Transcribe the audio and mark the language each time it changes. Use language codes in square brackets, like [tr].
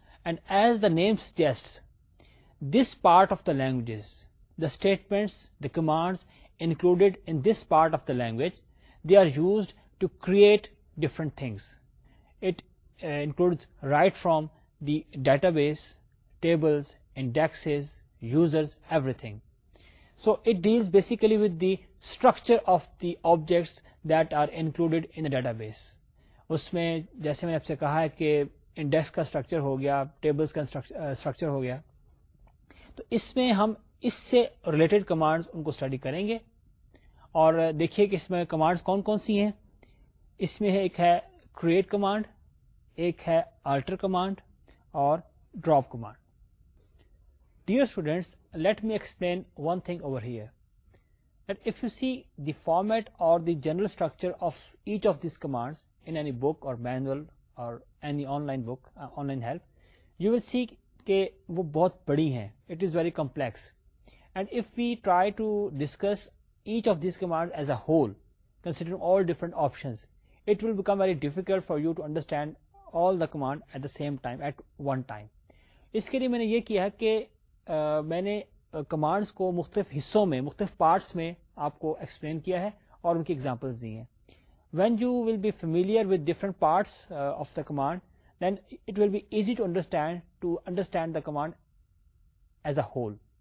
[en] And as the name suggests, this part of the languages, the statements, the commands included in this part of the language, they are used to create different things. It includes right from the database, tables, indexes, users, everything. So it deals basically with the structure of the objects that are included in the database. [ur] اس میں جیسے میں نے آپ سے کہا ہے کہ index کا اسٹرکچر ہو گیا، ٹیبلس کا اسٹرکچر ہو گیا، تو اس میں ہم اس سے ریلیٹڈ کمانڈس ان کو اسٹڈی کریں گے. اور دیکھیے کہ اس میں کمانڈس کون کون سی ہیں. اس میں ایک ہے کریٹ کمانڈ، ایک ہے آلٹر کمانڈ، اور drop command. [en] Dear students, let me explain one thing over here. That if you see the format or the general structure of each of these commands in any book or manual or any online book, online help, you will see [ur] ke wo bahut badi hain. [en] It is very complex. And if we try to discuss each of these commands as a whole, considering all different options, it will become very difficult for you to understand all the command at the same time, at one time. [ur] Iske liye maine ye kiya hai ke میں نے commands کو مختلف حصوں میں، مختلف parts میں آپ کو ایکسپلین کیا ہے اور ان کی ایگزامپلز دی ہیں. [en] When you will be familiar with different parts of the command, then it will be easy to understand the command as a whole.